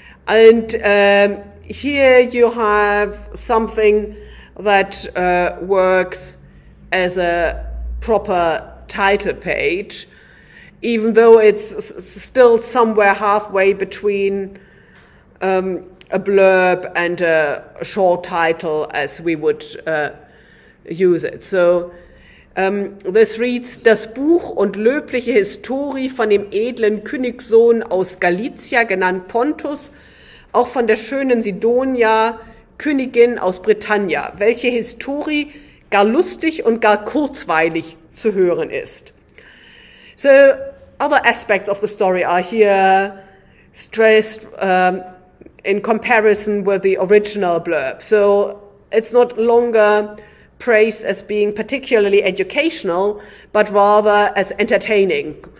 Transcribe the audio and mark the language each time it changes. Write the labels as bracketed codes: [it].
[en] And here you have something that works as a proper title page, even though it's still somewhere halfway between a blurb and a short title as we would use it. So this reads, [de] das Buch und löbliche Historie von dem edlen Königssohn aus Galizia, genannt Pontus, auch von der schönen Sidonia, Königin aus Britannia, welche Historie gar lustig und gar kurzweilig zu hören ist. [en] So, other aspects of the story are here stressed in comparison with the original blurb. So, it's not longer praised as being particularly educational, but rather as entertaining.